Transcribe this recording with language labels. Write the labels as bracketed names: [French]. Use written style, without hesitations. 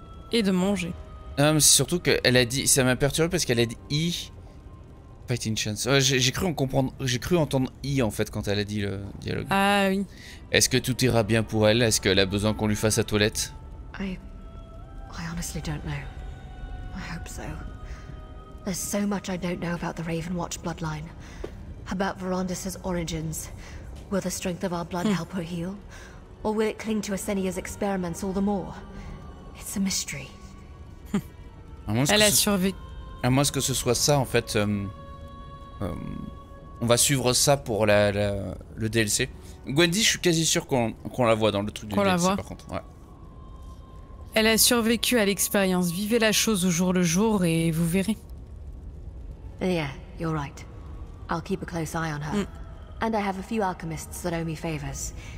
[French] Et de manger. Non, mais c'est surtout qu'elle a dit... Ça m'a perturbé parce qu'elle a dit « i ». [English] Fighting chance. [French] Ouais, j'ai cru en comprendre... J'ai cru entendre « i » en fait quand elle a dit le dialogue. Ah oui. Est-ce que tout ira bien pour elle? Est-ce qu'elle a besoin qu'on lui fasse sa toilette? [English] I honestly don't know. I hope so. There's so much I don't know about the Ravenwatch bloodline. About Verandis' origins. Will the strength of our blood help her heal? Or will it cling to Asenia's experiments all the more? It's a mystery. [French] Elle a survécu. À moins que ce soit ça, en fait. On va suivre ça pour le DLC. Gwendy, je suis quasi sûr qu'on la voit dans le truc du DLC, par contre. Ouais. Elle a survécu à l'expérience. Vivez la chose au jour le jour et vous verrez. [English] Yeah, you're right. I'll keep a close eye on her. And I have a few alchemists that owe me favors.